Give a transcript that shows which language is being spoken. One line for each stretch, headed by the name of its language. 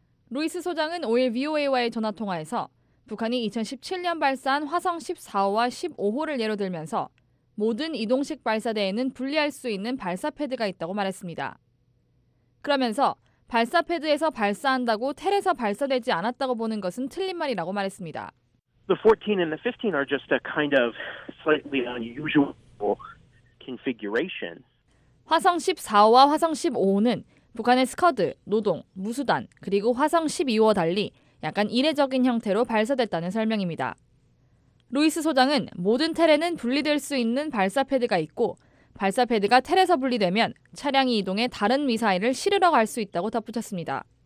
Korean: 루이스 소장은 5일 VOA와의 전화통화에서 북한이 2017년 발사한 화성 14호와 15호를 예로 들면서 모든 이동식 발사대에는 분리할 수 있는 발사패드가 있다고 말했습니다. 그러면서 발사패드에서 발사한다고 텔에서 발사되지 않았다고 보는 것은 틀린 말이라고 말했습니다.
English: The 14 and the 15 are just a kind of slightly unusual configuration.
Korean: 화성 14호와 화성 15호는 북한의 스커드, 노동, 무수단, 그리고 화성 12호와 달리 약간 이례적인 형태로 발사됐다는 설명입니다. 루이스 소장은 모든 텔에는 분리될 수 있는 발사패드가 있고 발사패드가 텔에서 분리되면 차량이 이동해 다른 미사일을 실으러 갈 수 있다고 덧붙였습니다.